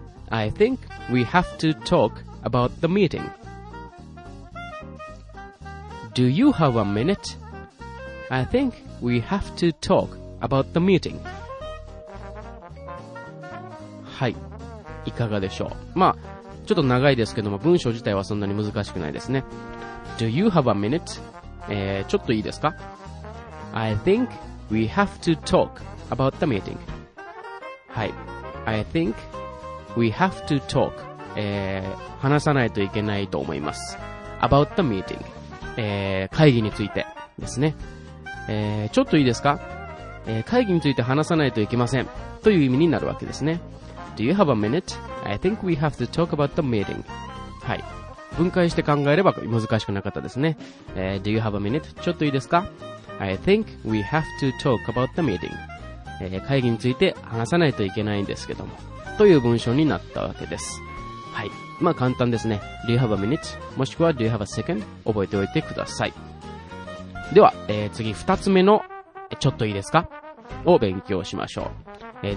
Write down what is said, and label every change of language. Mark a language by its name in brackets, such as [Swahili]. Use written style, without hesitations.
[English] I think we have to talk about the meeting. Do you have a minute? I think we have to talk about the meeting. [Japanese] はい、いかがでしょう。まあちょっと長いですけども、文章自体はそんなに難しくないですね。 [English] Do you have a minute? [Japanese] ちょっといいですか? [English] I think we have to talk about the meeting. はい。I think we have to talk. [Japanese] 話さないといけないと思います。 [English] About the meeting. [Japanese] 会議についてですね。ちょっといいですか? 会議について話さないといけません。という意味になるわけですね。 [English] Do you have a minute? I think we have to talk about the meeting. [Japanese] はい。分解して考えれば難しくなかったですね。 [English] Do you have a minute? [Japanese] ちょっといいですか? [English] I think we have to talk about the meeting. [Japanese] 会議について話さないといけないんですけども、という文章になったわけです。はい、まあ簡単ですね。 [English] Do you have a minute? [Japanese] もしくは [English] Do you have a second? [Japanese] 覚えておいてください。では、次二つ目のちょっといいですかを勉強しましょう。